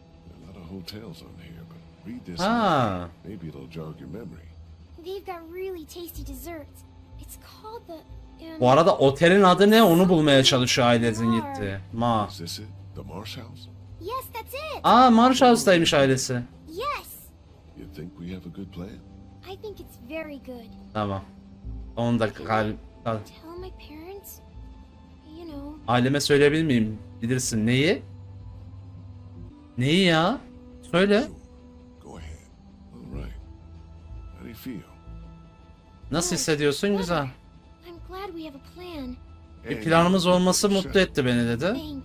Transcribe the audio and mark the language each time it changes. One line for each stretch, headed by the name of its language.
English: There are a lot of hotels on here, but read this. Maybe it'll jog your memory. They've got really tasty desserts. It's called the.
Turkish: Bu arada otelin adı ne? Onu bulmaya çalışıyor ailesinin gitti. Ma.
English: Is this it? The Marsh House? Yes, that's it.
Turkish: Marsh House'daymış ailesi.
English: Yes. You think we have a good plan? I think it's very good.
Turkish: Tamam. 10 dakika.
English: Tell my parents, you know.
Turkish: Aileme söyleyebilir miyim? Bilirsin neyi? Neyi ya? Söyle.
English: Go ahead. All right. How do you feel?
Turkish: Nasıl hissediyorsun, güzel?
English: I'm glad we have a plan.
Turkish: Bir planımız olması mutlu etti beni dedi.